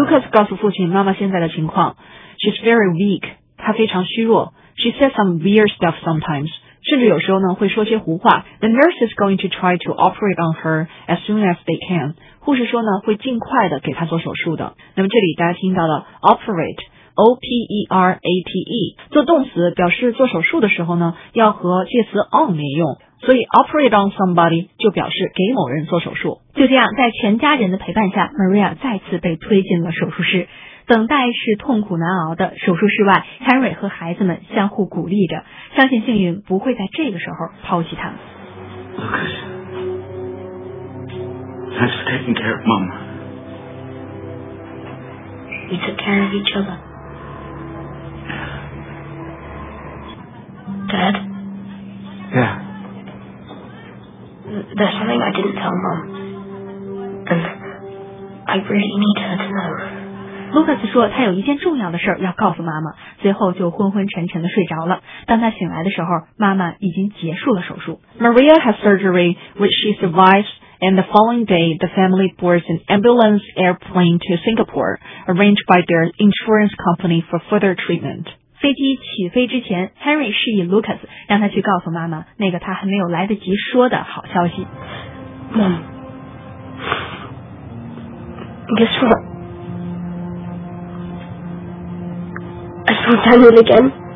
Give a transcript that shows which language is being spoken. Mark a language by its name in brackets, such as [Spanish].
[Chinese] 告诉父亲妈妈现在的情况。 [English] She's very weak. [Chinese] 她非常虚弱。 [English] She says some weird stuff sometimes. [Chinese] 甚至有时候呢会说些胡话。 [English] The nurse is going to try to operate on her as soon as they can. [Chinese] 护士说呢会尽快的给她做手术的。那么这里大家听到了 operate, O-P-E-R-A-T-E, 做动词表示做手术的时候呢要和介词 on 连用。所以 operate on somebody 就表示给某人做手术。就这样，在全家人的陪伴下， Maria 再次被推进了手术室。等待是痛苦难熬的，手术室外 Henry 和孩子们相互鼓励着，相信幸运不会在这个时候抛弃他们。 [English] Lucas, Thanks for taking care of Mum. We took care of each other. Dad? Yeah. There's something I didn't tell Mum. And I really need her to know. [Chinese] 卢卡斯说他有一件重要的事要告诉妈妈，随后就昏昏沉沉地睡着了。当他醒来的时候，妈妈已经结束了手术。 [English] Maria has surgery which she survives, and the following day the family boards an ambulance airplane to Singapore arranged by their insurance company for further treatment. [Chinese] 飞机起飞之前， Henry 示意卢卡斯让他去告诉妈妈那个他还没有来得及说的好消息。 [English] Guess whatI saw Daniel again.